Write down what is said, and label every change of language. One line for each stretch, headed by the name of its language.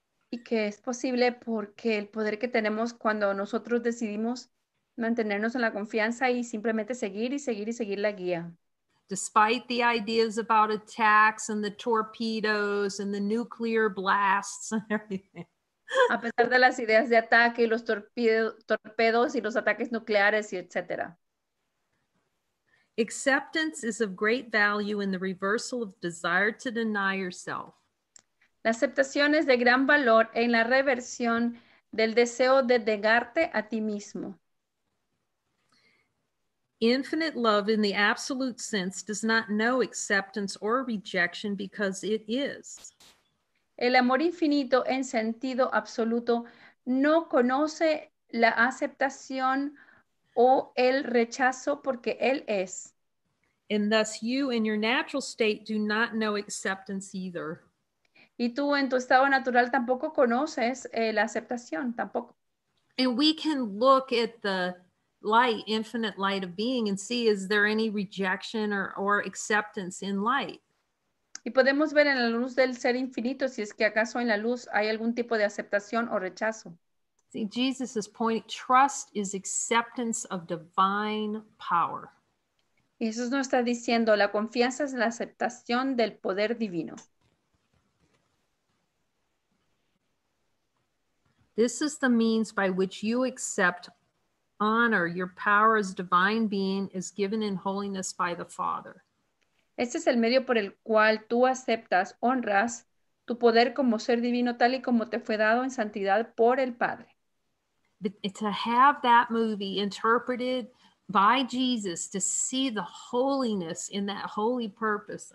Spanish: Y que es posible porque el poder que tenemos cuando nosotros decidimos mantenernos en la confianza y simplemente seguir la guía.
English: Despite the ideas about attacks and the torpedoes and the nuclear blasts and everything.
Spanish: A pesar de las ideas de ataque y los torpedos y los ataques nucleares y etcétera.
English: Acceptance is of great value in the reversal of desire to deny yourself.
Spanish: La aceptación es de gran valor en la reversión del deseo de negarte a ti mismo.
English: Infinite love in the absolute sense does not know acceptance or rejection because it is.
Spanish: El amor infinito en sentido absoluto no conoce la aceptación o el rechazo porque él es.
English: And thus you in your natural state do not know acceptance either.
Spanish: Y tú en tu estado natural tampoco conoces la aceptación, tampoco.
English: And we can look at the light, infinite light of being, and see, is there any rejection or acceptance in light?
Spanish: Y podemos ver en la luz del ser infinito si es que acaso en la luz hay algún tipo de aceptación o rechazo.
English: See, Jesus' point, trust is acceptance of divine power.
Spanish: Y Jesús nos está diciendo, la confianza es la aceptación del poder divino.
English: This is the means by which you accept honor your power as divine being is given in holiness by the Father.
Spanish: Este es el medio por el cual tú aceptas, honras tu poder como ser divino tal y como te fue dado en santidad por el Padre.
English: But to have that movie interpreted by Jesus to see the holiness in that holy purpose.